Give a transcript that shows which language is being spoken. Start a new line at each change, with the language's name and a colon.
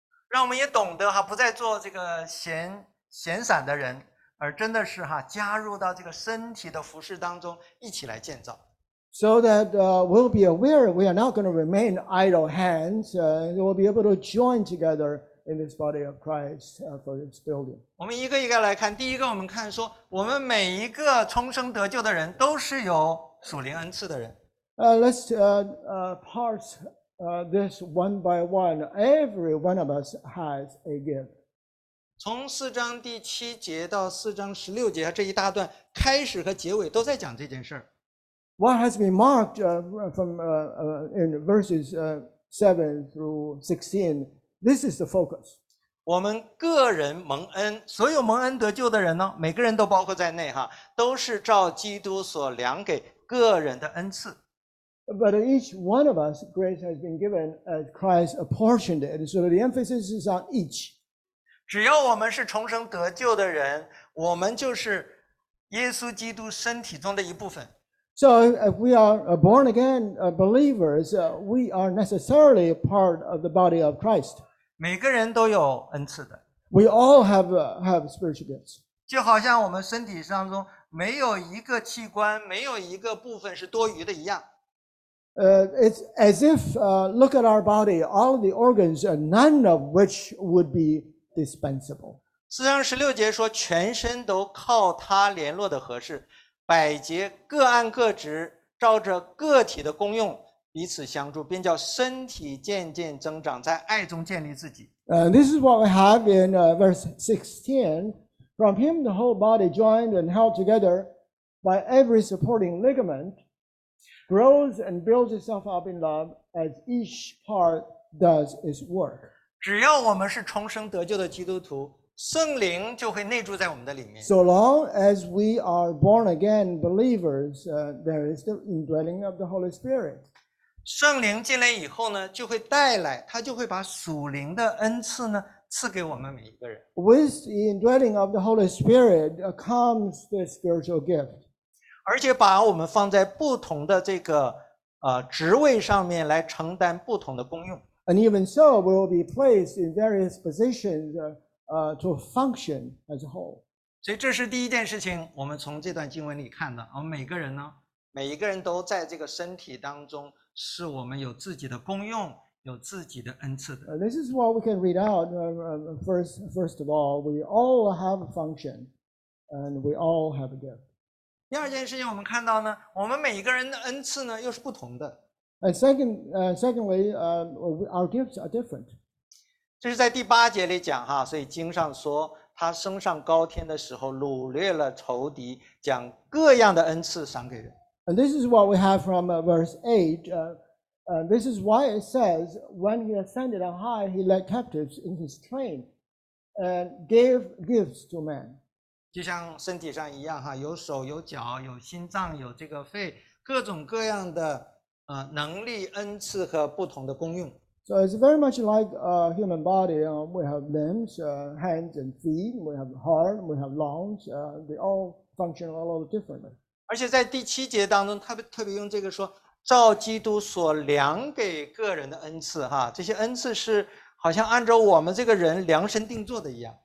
Chinese: 让我们也懂得哈，不再做这个闲散的人，而真的是哈，加入到这个身体的服事当中，一起来建造。
English: So that we'll be aware we are not going to remain idle hands. We'll be able to join together in this body of Christ for this building.
Chinese: 我们一个一个来看，第一个我们看说，我们每一个重生得救的人都是有属灵恩赐的人。
English: Let's parse. This one by one, every one of us has a gift.
Chinese: 从四章第七节到四章十六节这一大段开始和结尾都在讲这件事。
English: What has been marked from in verses 7 through 16, this is the focus.
Chinese: 我们个人蒙恩，所有蒙恩得救的人呢，每个人都包括在内哈，都是照基督所量给个人的恩赐。
English: But each one of us, grace has been given as Christ apportioned it. So the emphasis is on each.
Chinese: 只要我们是重生得救的人，我们就是耶稣基督身体中的一部分。
English: So if we are born again believers, we are necessarily part of the body of Christ.
Chinese: 每个人都有恩赐的。
English: We all have spiritual gifts.
Chinese: 就好像我们身体上中没有一个器官，没有一个部分是多余的一样。
English: It's as if, look at our body, all of the organs, none of which would be dispensable.
Chinese: 四章十六节说，全身都靠它联络的合适，百节各按各职，照着个体的功用彼此相助，便叫身体渐渐增长，在爱中建立自己。
English: This is what we have in verse 16. From him the whole body joined and held together by every supporting ligament. Grows and builds itself up in love as each part does its work.
Chinese: 只要我们是重生得救的基督徒，圣灵就会内住在我们的里面。
English: So long as we are born again believers, there is the indwelling of the Holy Spirit.
Chinese: 圣灵进来以后呢，就会带来，他就会把属灵的恩赐呢赐给我们每一个人。
English: With the indwelling of the Holy Spirit comes the spiritual gift.
Chinese: 而且把我们放在不同的这个职位上面来承担不同的功用。
English: And even so, we will be placed in various positions, to function as a whole.
Chinese: 所以这是第一件事情，我们从这段经文里看的。我们每个人呢，每一个人都在这个身体当中，是我们有自己的功用，有自己的恩赐的。
English: This is what we can read out. First of all, we all have a function, and we all have a gift.
Chinese: 第二件事情，我们看到呢，我们每一个人的恩赐呢又是不同的。
English: Secondly, our gifts are different.
Chinese: 这是在第八节里讲哈，所以经上说，他升上高天的时候，掳掠了仇敌，将各样的恩赐赏给人。
English: And this is what we have from verse 8. This is why it says, when he ascended on high, he led captives in his train and gave gifts to men.
Chinese: 就像身体上一样哈，有手有脚有心脏有这个肺，各种各样的能力恩赐和不同的功用。
English: So it's very much like a human body. We have limbs, hands and feet. We have heart. We have lungs. They all function a little differently.
Chinese: 而且在第七节当中，他特别用这个说，照基督所量给个人的恩赐哈，这些恩赐是。好像按照我们这个人量身定做的一样。